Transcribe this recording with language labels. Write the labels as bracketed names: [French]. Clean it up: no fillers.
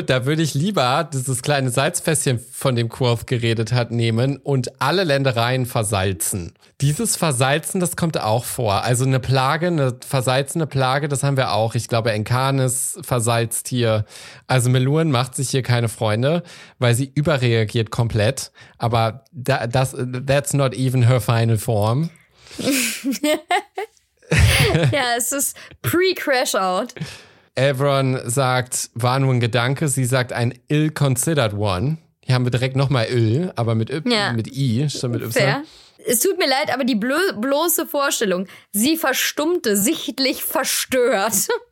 [German] Da würde ich lieber dieses kleine Salzfässchen, von dem Quoth geredet hat, nehmen und alle Ländereien versalzen. Dieses Versalzen, das kommt auch vor. Also eine Plage, eine versalzene Plage, das haben wir auch. Ich glaube, Enkanis versalzt hier. Also Meluren macht sich hier keine Freunde, weil sie überreagiert komplett. Aber [English] that's not even her final form. [German] Ja, es ist pre-Crash-Out. Evron sagt, war nur ein Gedanke. Sie sagt, ein [English] ill-considered one. [German] Hier haben wir direkt nochmal ill, aber mit I, statt mit Y. Fair. Es tut mir leid, aber die bloße Vorstellung, sie verstummte, sichtlich verstört.